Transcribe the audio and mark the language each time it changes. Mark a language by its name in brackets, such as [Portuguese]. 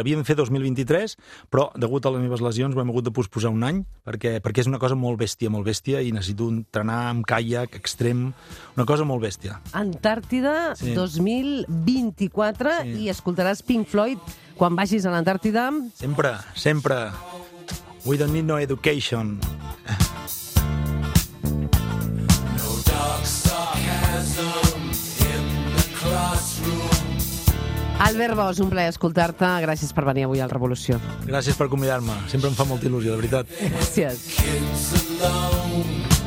[Catalan] Havíem fet 2023, però, degut a les meves lesions, ho hem hagut de posposar un any, perquè és una cosa molt bèstia, i necessito entrenar amb caiac extrem, una cosa molt bèstia. Antàrtida, sí. 2024, sí. I escoltaràs Pink Floyd... Quan vagis a l'Antàrtida... Sempre. [English] We don't need no education. No dark sarcasm in the classroom. [Catalan] Albert Bosch, un plaer escoltar-te. Gràcies per venir avui al Revolució. Gràcies per convidar-me. Sempre em fa molta il·lusió, de veritat. Gràcies. [English] Kids alone.